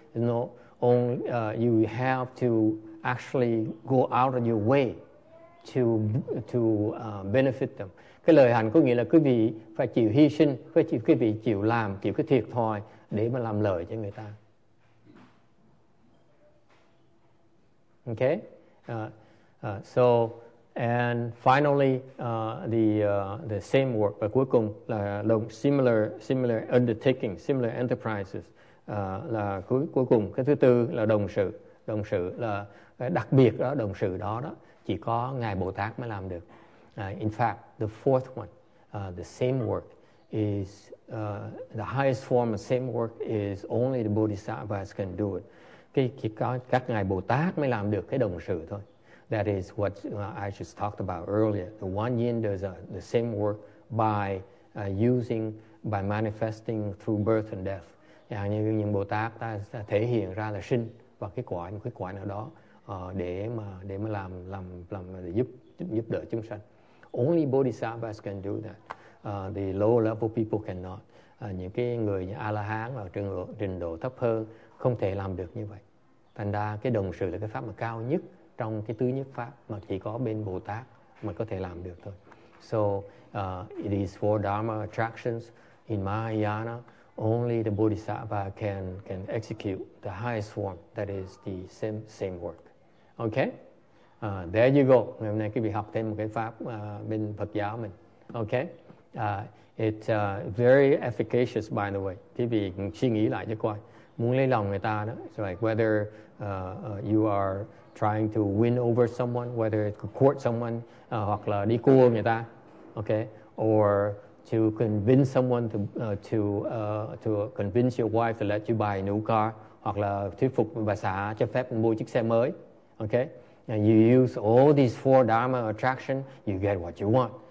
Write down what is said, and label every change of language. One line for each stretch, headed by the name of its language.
English: It's not only you have to actually go out of your way to benefit them.
Vietnamese: Cái lợi hạnh có nghĩa là quý vị phải chịu hy sinh, phải chịu, quý vị chịu làm, chịu cái thiệt thòi để mà làm lợi cho người ta.
English: Okay? And finally, the same work, but
Vietnamese: cuối cùng là
English: similar undertaking, similar enterprises.
Vietnamese: Là cuối cùng, cái thứ tư là đồng sự là đặc biệt đó, đồng sự đó đó chỉ có Ngài Bồ Tát mới làm được.
English: In fact, the fourth one, the same work is the highest form of same work is only the Bodhisattvas can do it.
Vietnamese: Các Ngài Bồ Tát mới làm được cái đồng sự thôi.
English: That is what I just talked about earlier. The one yin does the same work by manifesting through birth and death.
Vietnamese: Yeah, như Bồ Tát ta thể hiện ra là sinh và cái quả nào đó để mà làm để giúp đỡ chúng sanh.
English: Only Bodhisattvas can do that. The lower level people cannot.
Vietnamese: Những cái người như A-la-hán hoặc trình độ thấp hơn không thể làm được như vậy. Thành ra cái đồng sự là cái pháp mà cao nhất trong cái tứ nhất pháp mà chỉ có bên Bồ Tát mà có thể làm được thôi.
English: So, these four dharma attractions in Mahayana, only the Bodhisattva can execute the highest form, that is the same work. Okay? There you go.
Vietnamese: Ngày hôm nay quý vị học thêm một cái pháp bên Phật giáo mình. Okay?
English: It's very efficacious, by the way.
Vietnamese: Quý vị suy nghĩ lại cho coi. Muốn lấy lòng người ta đó.
English: So, like whether you are trying to win over someone, whether it could court someone,
Vietnamese: hoặc là đi cua người ta,
English: okay, or to convince someone to convince your wife to let you buy a new car,
Vietnamese: hoặc là thuyết phục bà xã cho phép mua chiếc xe mới,
English: okay. And you use all these four dharma attraction, you get what you want.